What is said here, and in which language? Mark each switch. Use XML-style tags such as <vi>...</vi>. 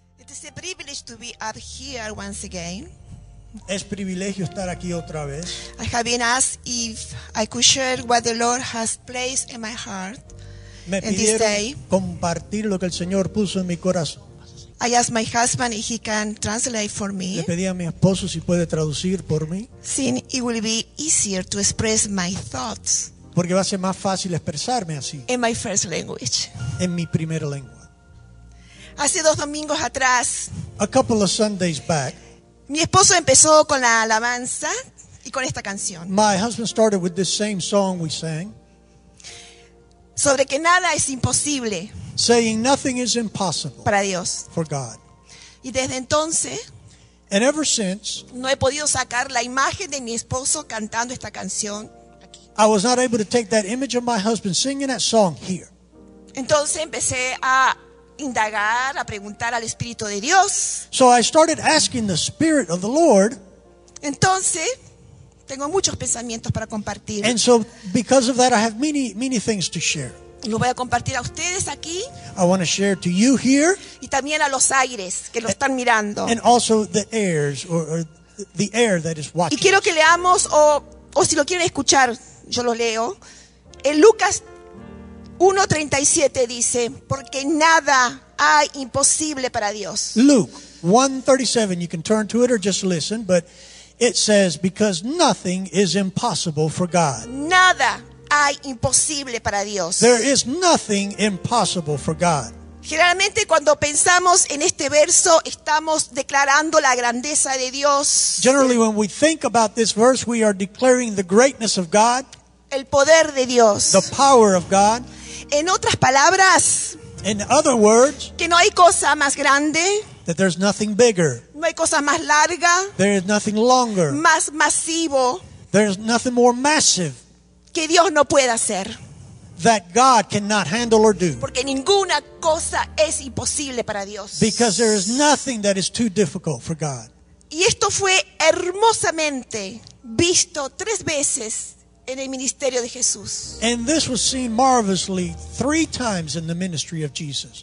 <en>It's a privilege to be up here once again.</en> <es>Es privilegio estar aquí otra vez.</es> <en>I have been asked if I could share what the Lord has placed in my heart.</en> <es>Me pidieron compartir lo que el Señor puso en mi corazón.</es> <en>I asked my husband if he can translate for me.</en> <es>Le pedí a mi esposo si puede traducir por mí.</es> <en>Since it will be easier to express my thoughts.</en> <es>Porque va a ser más fácil expresarme así.</es> <en>In my first language.</en> <es>En mi primera lengua. Hace dos domingos atrás.</es> <en>A couple of Sundays back.</en> <es>Mi esposo empezó con la alabanza y con esta canción.</es> <en>My husband started with the same song we sang.</en> <es>Sobre que nada es imposible.</es> <en>Saying nothing is impossible.</en> <es>Para Dios.</es> <en>For God.</en> <es>Y desde entonces.</es> <en>And ever since.</en> <es>No he podido sacar la imagen de mi esposo cantando esta canción.</es> <en>I was not able to take that image of my husband singing that song here.</en> <es>Entonces empecé a indagar, a preguntar al Espíritu de Dios.</es> <en>So I started asking the Spirit of the Lord.</en> <es>Entonces, tengo muchos pensamientos para compartir.</es> <en>And so because of that I have many, many things to share.</en> <es>Lo voy a compartir a ustedes aquí.</es> <en>I want to share to you here.</en> <es>Y también a los aires que lo están mirando.</es> <en>And also the airs or the air that is watching.</en> <es>Y quiero que leamos o si lo quieren escuchar. Yo lo leo. En Lucas 1:37 dice, porque nada hay imposible para Dios.</es> <en>Luke 1:37, you can turn to it or just listen, but it says, because nothing is impossible for God.</en> <es>Nada hay imposible para Dios.</es> <en>There is nothing impossible for God.</en> <es>Generalmente cuando pensamos en este verso estamos declarando la grandeza de Dios.</es> <en>Generally when we think about this verse we are declaring the greatness of God.</en> <es>El poder de Dios.</es> <en>The power of God.</en> <es>En otras palabras,</es> <en>in other words,</en> <es>que no hay cosa más grande,</es> <en>that there's nothing bigger,</en> <es>no hay cosa más larga,</es> <en>there is nothing longer,</en> <es>más masivo,</es> <en>there's nothing more massive,</en> <es>que Dios no pueda hacer,</es> <en>that God cannot handle or do,</en> <es>porque ninguna cosa es imposible para Dios,</es> <en>because there is nothing that is too difficult for God.</en> <es>Y esto fue hermosamente visto tres veces en el ministerio de Jesús.</es> <en>And this was seen marvelously three times in the ministry of Jesus.</en>